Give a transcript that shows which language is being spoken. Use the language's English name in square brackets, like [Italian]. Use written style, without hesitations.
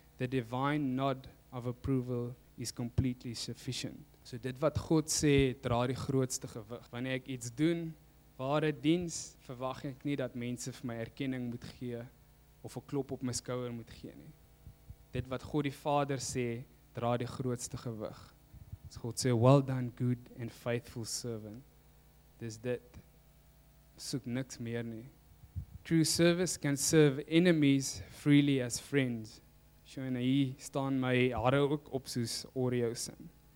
[English] The divine nod of approval is completely sufficient. [Afrikaans] So dit wat God sê, dra die grootste gewig. Wanneer ek iets doen, ware diens, verwag ek nie dat mense vir my erkenning moet gee of 'n klop op my skouer moet gee nie. Dit wat God die Vader sê, dra die grootste gewig. As God sê, [English] well done, good and faithful servant. [Afrikaans] Dis dit. Soek niks meer nie. [English] True service can serve enemies freely as friends. [Afrikaans] So en hier staan my hare ook op soos Oreos in.